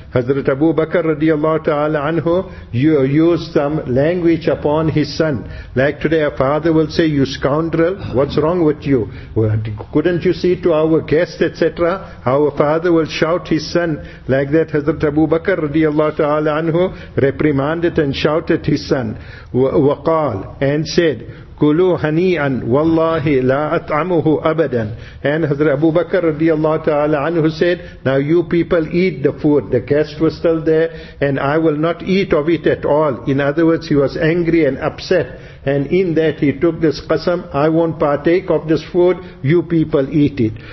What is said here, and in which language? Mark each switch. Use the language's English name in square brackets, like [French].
[English] Hazrat Abu Bakr radiallahu ta'ala anhu, you use some language upon his son. Like today a father will say, you scoundrel, what's wrong with you? Couldn't you see to our guest, etc.? Our father will shout his son. Like that Hazrat Abu Bakr radiallahu ta'ala anhu reprimanded and shouted his son. Waqal and said, [Arabic] كُلُوا هَنِيًا وَاللَّهِ لَا أَطْعَمُهُ أَبَدًا. [English] And Hazrat Abu Bakr radiallahu ta'ala anhu said, now you people eat the food. The guest was still there and I will not eat of it at all. In other words, he was angry and upset. And in that he took this qasam, I won't partake of this food, you people eat it.